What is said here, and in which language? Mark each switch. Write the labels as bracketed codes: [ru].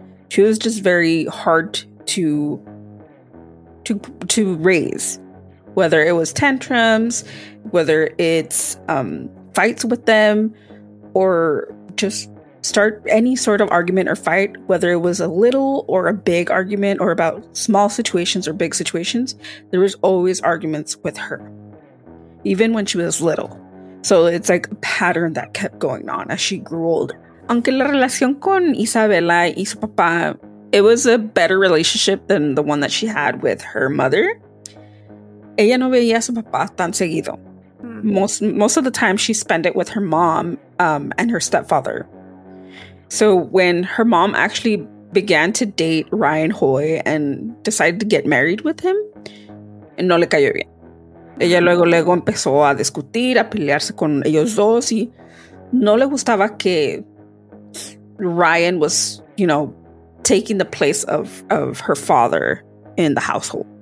[en] She was just very hard to raise, whether it was tantrums, whether it's fights with them, or just start any sort of argument or fight, whether it was a little or a big argument or about small situations or big situations, there was always arguments with her, even when she was little. So it's like a pattern that kept going on as she grew older. [es] Aunque la relación con Isabella y su papá, [en] it was a better relationship than the one that she had with her mother. [es] Ella no veía a su papá tan seguido. [en] Most of the time she spent it with her mom and her stepfather. So when her mom actually began to date Ryan Hoy and decided to get married with him, [es] no le cayó bien. Ella luego empezó a discutir, a pelearse con ellos dos, y no le gustaba que Ryan [en] was, you know, taking the place of her father in the household.